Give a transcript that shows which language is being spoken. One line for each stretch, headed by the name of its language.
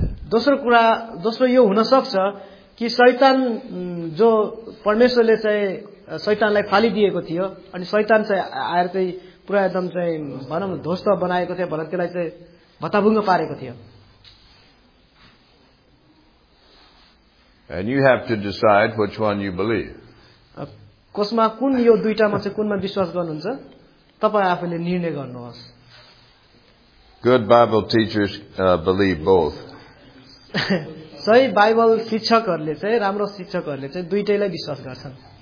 Nepali: दोस्रो यो हुन सक्छ कि शैतान जो परमेश्वरले चाहिँ शैतानलाई फालिदिएको थियो अनि शैतान चाहिँ आएर चाहिँ पुरा एकदम चाहिँ भनौँ ध्वस्त बनाएको थियो भनेर त्यसलाई चाहिँ भत्ताभुङ्ग पारेको थियो.
English: And you have to decide which one you believe.
Nepali: कसमा कुन यो दुईटामा चाहिँ कुनमा विश्वास गर्नुहुन्छ तपाईँ आफैले निर्णय गर्नुहोस्.
English: Good Bible teachers believe both.
Nepali: सही बाइबल शिक्षकहरूले चाहिँ राम्रो शिक्षकहरूले चाहिँ दुइटैलाई विश्वास गर्छन्.